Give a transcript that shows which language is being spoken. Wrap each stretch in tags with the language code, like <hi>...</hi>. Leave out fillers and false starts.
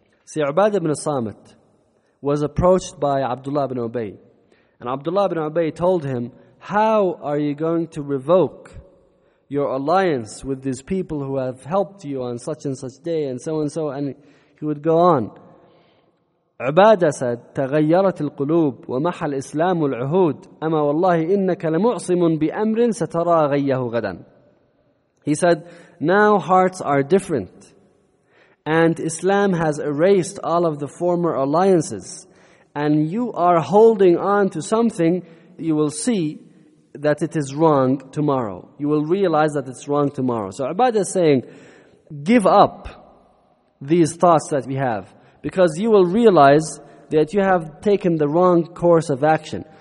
<en>See, Ubad ibn Samit was approached by Abdullah ibn Ubay, and Abdullah ibn Ubay told him, how are you going to revoke your alliance with these people who have helped you on such and such day and so, and he would go on. Ubadah said,</en> <ar>تَغَيَّرَتِ الْقُلُوبُ وَمَحَ الْإِسْلَامُ الْعُهُودُ أَمَا وَاللَّهِ إِنَّكَ لَمُعْصِمٌ بِأَمْرٍ سَتَرَى غَيَّهُ غَدًا.</ar> <en>He said, now hearts are different, and Islam has erased all of the former alliances, and you are holding on to something. You will see that it is wrong tomorrow. You will realize that it's wrong tomorrow. So Ubadah is saying, give up these thoughts that we have, because you will realize that you have taken the wrong course of action.</en>